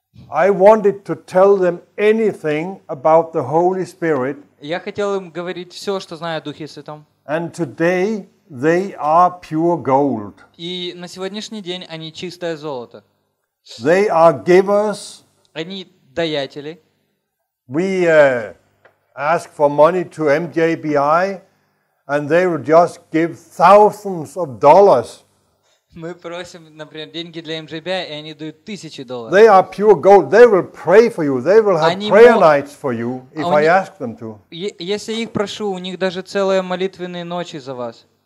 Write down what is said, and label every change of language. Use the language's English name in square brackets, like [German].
[English] I wanted to tell them anything about the Holy Spirit. [Russian] Я хотел им говорить все, что знаю о Духе Святом. [English] And today they are pure gold. [Russian] И на сегодняшний день они чистое золото. [English] They are givers. [Russian] Они даятели. [English] We ask for money to MJBI, and they will just give thousands of dollars. [Russian] Мы просим, например, деньги для МЖБ, и они дают тысячи долларов. [English] They are pure gold. They will pray for you. They will have prayer nights for you if I ask them to. [Russian] Если их прошу, у них даже целые молитвенные ночи за вас.